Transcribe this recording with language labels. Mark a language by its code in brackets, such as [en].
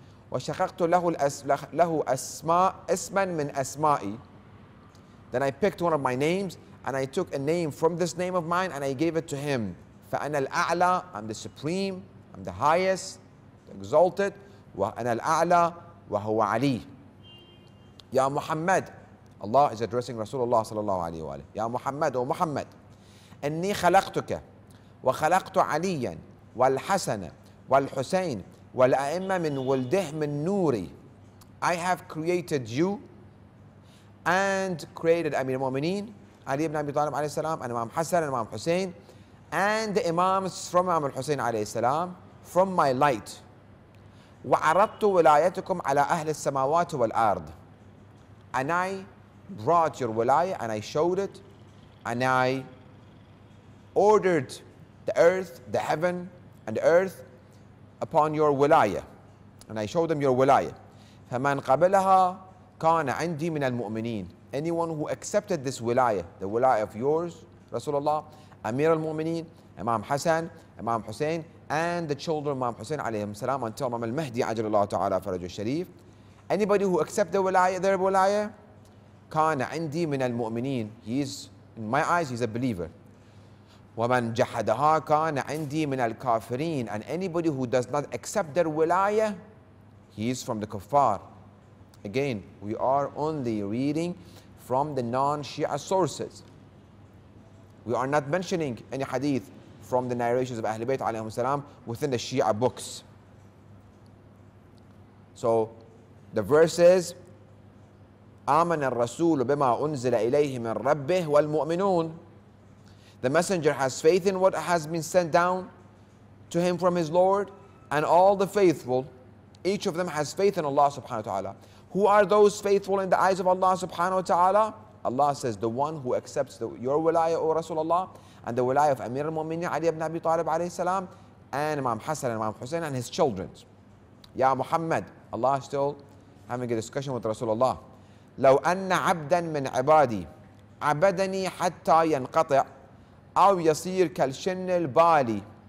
[ar] وَشَقَقْتُ لَهُ أَسْمَاءً مِنْ أَسْمَائِي. [en] Then I picked one of my names and I took a name from this name of mine and I gave it to him. [ar] فأنا الأعلى, [en] I'm the supreme, I'm the highest, the exalted. [ar] وأنا الأعلى وهو علي. يا محمد, [en] Allah is addressing Rasulullah صلى الله عليه وآله. [ar] يا محمد, أو محمد, إني خلقتك وخلقت عليا والحسن والحسين والأئمة من ولده من نوري. [en] I have created you and created Amir al-Mu'mineen, Ali ibn Abi Talib alayhi salam, and Imam Hassan and Imam Hussein, and the Imams from Imam al-Hussein alayhi salam, from my light. [ar] وعرضت ولايتكم على أهل السماوات والأرض. [en] And I brought your wilayah and I showed it, and I ordered the earth, the heaven, and the earth upon your wilayah. And I showed them your wilayah. [ar] فمن قبلها كان عندي من المؤمنين. [en] Anyone who accepted this wilayah, the wilayah of yours, Rasulullah, Amir al-Mu'mineen, Imam Hassan, Imam Hussein, and the children of Imam Hussein alayhim salam until Imam al-Mahdi ajalallahu ta'ala faraju al-sharif. Anybody who accepted the wilayah, their wilayah, [ar] كان عندي من المؤمنين. [en] He's, in my eyes, he's a believer. [ar] ومن جحدها كان عندي من الكافرين. [en] And anybody who does not accept their wilayah, he is from the kuffar. Again, we are only reading from the non-Shia sources. We are not mentioning any hadith from the narrations of Ahlul Bayt alayhi salam within the Shia books. So the verse is, [ar] آمن الرسول بما أنزل إليه من ربه والمؤمنون. [en] The messenger has faith in what has been sent down to him from his Lord, and all the faithful, each of them has faith in Allah subhanahu wa ta'ala. Who are those faithful in the eyes of Allah subhanahu wa ta'ala? Allah says, the one who accepts your wilayah, O Rasulullah, and the wilayah of Amir al-Mu'mineen Ali ibn Abi Talib alayhi salam, and Imam Hassan and Imam Hussein and his children. Ya Muhammad, Allah is still having a discussion with Rasulullah. [ar] لو أن عبدا من عبادي عبدني حتى ينقطع أو يصير كالشن البالي.